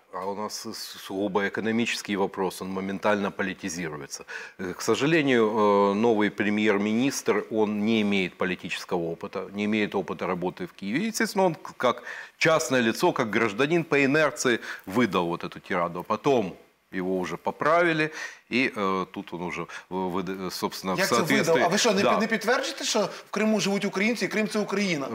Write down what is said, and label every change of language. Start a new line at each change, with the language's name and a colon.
Ukrainian: А у нас
Russian: сугубо
Ukrainian: економічний
Russian: вопрос,
Ukrainian: він моментально політизується. К сожалению, новий прем'єр-міністр, він не має політичного
Russian: опыта,
Ukrainian: не має опыта роботи в Києві. І, звісно, він як
Russian: частне лицо,
Ukrainian: як
Russian: гражданин
Ukrainian: по інерції видав
Russian: вот эту тираду. Потом его уже поправили, и тут он уже, собственно, в соответствии...
Ukrainian: Як це видав? А ви що, не підтверджуєте, що в Криму живуть українці, і Крим – це Україна?